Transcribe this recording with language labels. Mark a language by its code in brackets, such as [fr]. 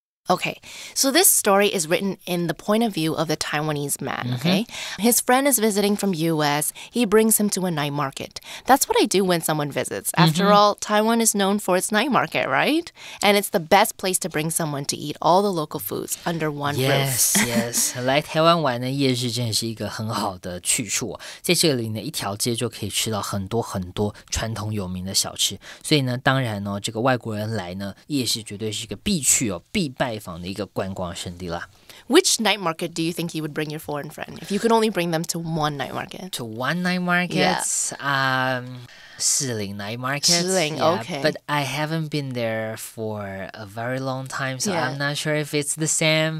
[en] Okay, so this story is written in the point of view of the Taiwanese man, okay?、 Mm-hmm. His friend is visiting from US. He brings him to a night market. That's what I do when someone visits. After、 mm-hmm. all, Taiwan is known for its night market, right? And it's the best place to bring someone to eat all the local foods under one yes, roof. Yes, yes. [zh] 来台湾玩的夜市真的是一个很好的去处、哦。在这里呢，一条街就可以吃到很多很多传统有名的小吃。所以呢，当然呢、哦，这个外国人来呢，夜市绝对是一个必去哦，必拜。 [en] Which night market do you think you would bring your foreign friend if you could only bring them to one night market? To one night market? Yeah. 士林 night market. [zh] 士林, [en] yeah, okay. But I haven't been there for a very long time, so、 yeah. I'm not sure if it's the same、